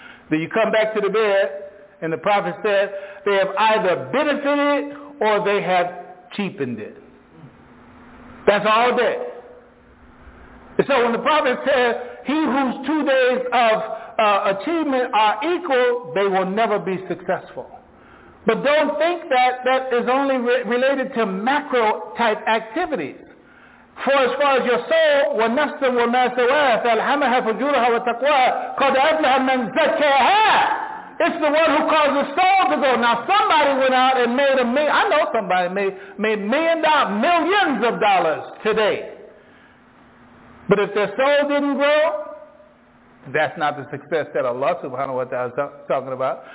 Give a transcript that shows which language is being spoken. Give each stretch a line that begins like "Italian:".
English: Then you come back to the bed, and the Prophet said, they have either benefited or they have cheapened it. That's all day. So when the Prophet says, he whose 2 days of achievement are equal, they will never be successful. But don't think that is only related to macro type activities. For as far as your soul,
Arabic: وَنَفْسٍ وَمَا سَوَاهَا فَأَلْحَمَهَا فُجُورَهَا وَتَقْوَاهَا قَدْ أَفْلَحَ مَنْ زَكَّاهَا.
English: It's the one who caused the soul to go. Now somebody went out and made a million. I know somebody made millions of dollars today. But if their soul didn't grow, that's not the success that Allah subhanahu wa ta'ala is talking about.